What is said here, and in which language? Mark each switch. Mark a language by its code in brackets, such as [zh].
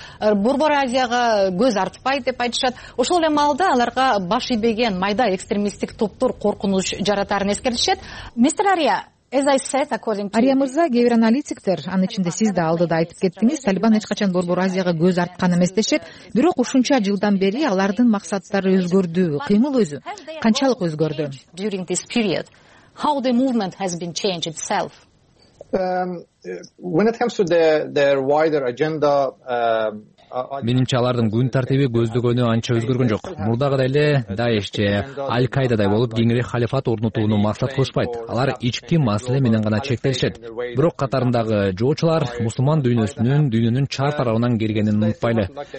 [ky] Борбор Азияга көз артпайт деп айтышат. Ошол эле маалда аларга баш ийбеген майда экстремисттик топтор коркунуч жаратарын эскертишет. Мистер Ария, Ария Мырза, гиперанализчиктер, анын ичинде сиз да алдыда айтып кеттиңиз, Талибан эч качан Борбор Азияга көз арткан эмес дешет, бирок ушунча жылдан бери алардын максаттары өзгөрдү. Кыймыл өзү канчалык өзгөрдү? [en] During this period, how the movement has been changed itself? When it comes to their wider agenda, [ky] менимче алардын күн тартиби көздөгөнү анча өзгөргөн жок. Мурдагыдай эле Даэш же Аль-Кайдадай болуп кеңири халифат орнотууну максат кылышпайт. Алар ички маселе менен гана чектелишет. Бирок катарындагы жоочулар мусулман дүйнөсүнүн дүйнөнүн чар тарабынан келгенин унутпайлы.